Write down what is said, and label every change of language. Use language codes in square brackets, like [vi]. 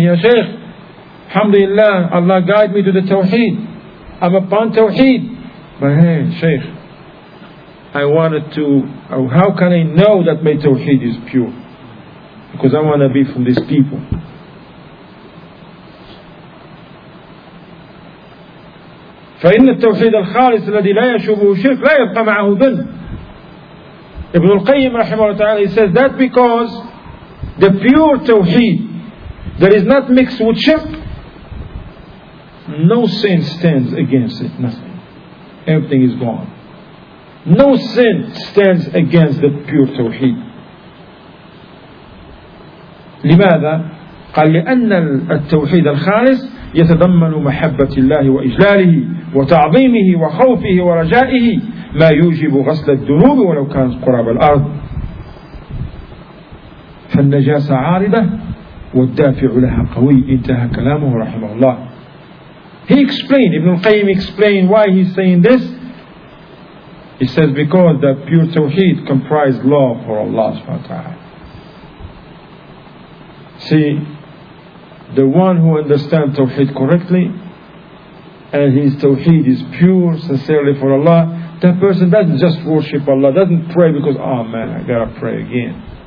[en] Ya Shaykh, alhamdulillah, Allah guide me to the tawheed. I'm upon tawheed. But hey, Shaykh, how can I know that my tawheed is pure? Because I want to be from these people. [ar] فإن التوحيد الخالص الذي لا يشوبه شرك لا يبقى معه ذنب. [en] Ibn al-Qayyim رحمه الله تعالى, he says that because the pure tawheed that is not mixed with shirk, no sin stands against it, nothing. Everything is gone. No sin stands against the pure tawheed. [ar] لماذا؟ قال لأن التوحيد الخالص يتضمن محبة الله وإجلاله وتعظيمه وخوفه ورجائه ما يوجب غسل الذنوب ولو كانت قراب الأرض. فالنجاسة عارضة والدافع لها قوي. انتهى كلامه رحمه الله. [en] He explained, Ibn al-Qayyim explained why he's saying this. He says because that pure tawheed comprised love for Allah subhanahu wa ta'ala. See, the one who understands tawheed correctly and his tawheed is pure, sincerely for Allah, that person doesn't just worship Allah, doesn't pray because, oh man, I gotta pray again.